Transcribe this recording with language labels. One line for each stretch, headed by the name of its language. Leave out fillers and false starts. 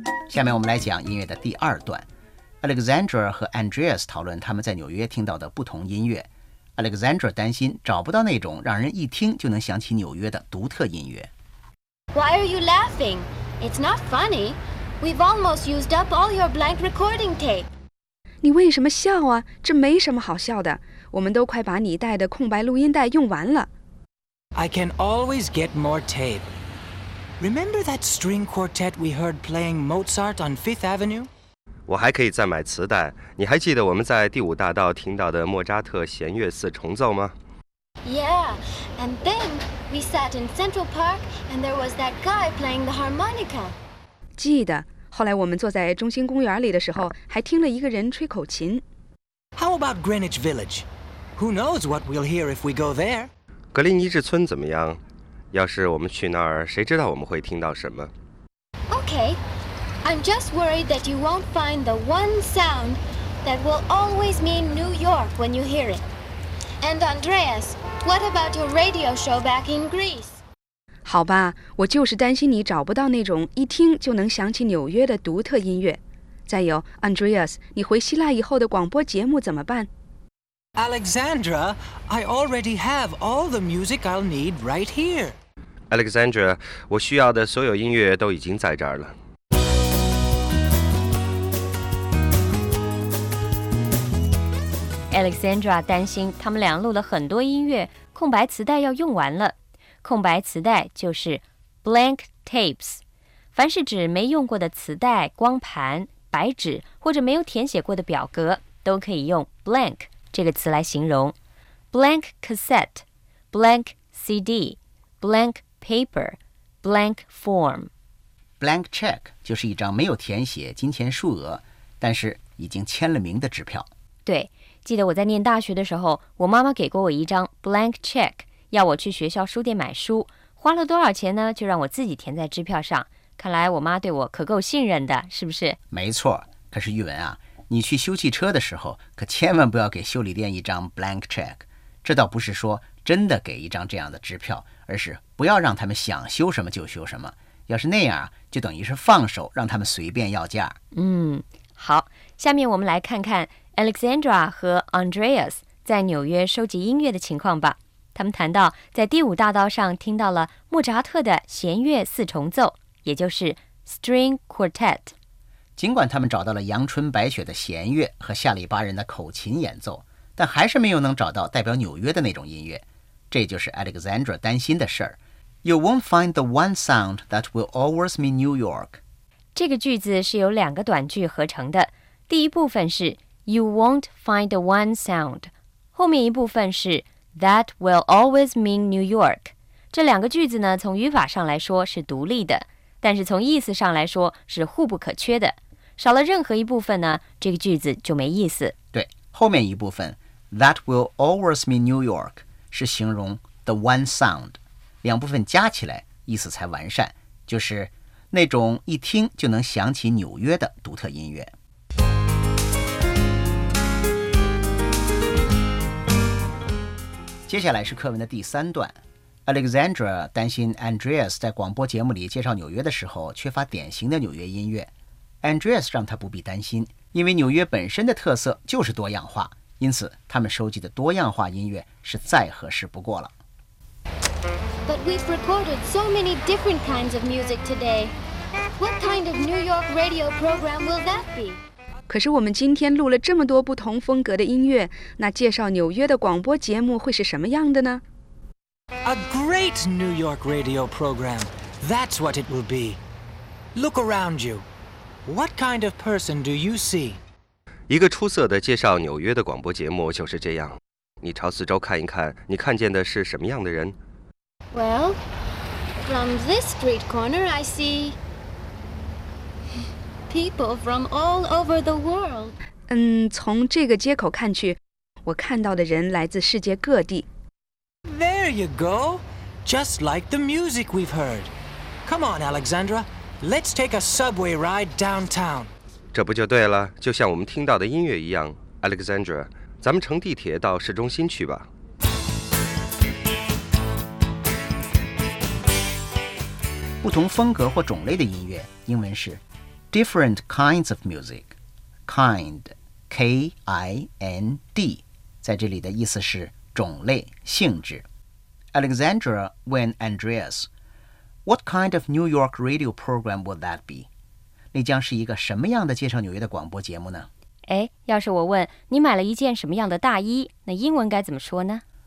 Chinese: 下面我们来讲音乐的第二段。Alexandra 和 Andreas 讨论他们在纽约听到的不同音乐。 Alexandra 担心找不到那种让人一听就能想起纽约的独特音乐。
English: Why are you laughing? It's not funny. We've almost used up all your blank recording tape.
Chinese: 你为什么笑啊？这没什么好笑的，我们都快把你带的空白录音带用完了。
English: I can always get more tape. Remember that string quartet we heard playing Mozart on Fifth Avenue?
Chinese: 我还可以再买磁带。你还记得我们在第五大道听到的莫扎特弦乐四重奏吗？
English: Yeah, and then we sat in Central Park and there was that guy playing the harmonica.
Chinese: 记得，后来我们坐在中心公园里的时候，还听了一个人吹口琴。
English: How about Greenwich Village? Who knows what we'll hear if we go there?
Chinese: 格林尼治村怎么样？要是我们去那儿，谁知道我们会听到什么。
English: Okay, I'm just worried that you won't find the one sound that will always mean New York when you hear it. And Andreas, what about your radio show back in Greece?
Chinese: 好吧，我就是担心你找不到那种一听就能想起纽约的独特音乐。再有 Andreas, 你回希腊以后的广播节目怎么办？
English: Alexandra, I already have all the music I'll need right here.
Chinese: Alexandra, 我需要的所有音乐都已经在这儿了。 Alexandra 担心他们俩录了很多音乐，空白磁带要用完了。空白磁带就是 blank tapes， 凡是指没用过的磁带、光盘、白纸或者没有填写过的表格，都可以用 blank。这个词来形容
English: blank cassette, blank CD, blank paper, blank form.
Chinese: Blank check 就是一张没有填写金钱数额但是已经签了名的支票。对，记得我在念大学的时候，我妈妈给过我一张 blank check， 要我去学校书店买书，花了多少钱呢？就让我自己填在支票上。看来我妈对我可够信任的，是不是？没错。可是玉文啊，你去修汽车的时候可千万不要给修理店一张 blank check， 这倒不是说真的给一张这样的支票，而是不要让他们想修什么就修什么，要是那样就等于是放手让他们随便要价。好，下面我们来看看 Alexandra 和 Andreas 在纽约收集音乐的情况吧。他们谈到在第五大道上听到了莫扎特的弦乐四重奏，也就是 string quartet。尽管他们找到了阳春白雪的弦乐和夏里巴人的口琴演奏，但还是没有能找到代表纽约的那种音乐，这就是 Alexandra 担心的事儿。
English: You won't find the one sound that will always mean New York.
Chinese: 这个句子是由两个短句合成的，第一部分是
English: You won't find the one sound，
Chinese: 后面一部分是
English: That will always mean New York。
Chinese: 这两个句子呢，从语法上来说是独立的，但是从意思上来说是互不可缺的，少了任何一部分呢，这个句子就没意思。对，后面一部分
English: That will always mean New York
Chinese: 是形容
English: the one sound，
Chinese: 两部分加起来意思才完善，就是那种一听就能想起纽约的独特音乐。接下来是课文的第三段。Alexandra 担心 Andreas 在广播节目里介绍纽约的时候缺乏典型的纽约音乐。 Andreas 让他不必担心，因为纽约本身的特色就是多样化，因此他们收集的多样化音乐是再合适不过了。
English: But we've recorded so many different kinds of music today. What kind of New York radio program will that be?
Chinese: 可是我们今天录了这么多不同风格的音乐，那介绍纽约的广播节目会是什么样的呢？
English: A great New York radio program. That's what it will be. Look around you. What kind of person do you see?
Chinese: 一个出色的介绍纽约的广播节目就是这样。你朝四周看一看，你看见的是什么样的人？
English: Well, from this street corner, I see people from all over the world.
Chinese: 从这个街口看去，我看到的人来自世界各地。
English: there you go. Just like the music we've heard. Come on, Alexandra. Let's take a subway ride downtown.
Chinese: 这不就对了，就像我们听到的音乐一样。
English: Alexandra,
Chinese: 咱们乘地铁到市中心去吧。不同风格或种类的音乐，英文是
English: different kinds of music,
Chinese: kind, K-I-N-D, 在这里的意思是种类、性质。
English: Alexandra
Chinese: 问
English: Andreas, What kind of New York radio program would that be?
Chinese: 那将是一个什么样的介绍纽约的广播节目呢？哎，要是我问你买了一件什么样的大衣，那英文该怎么说呢？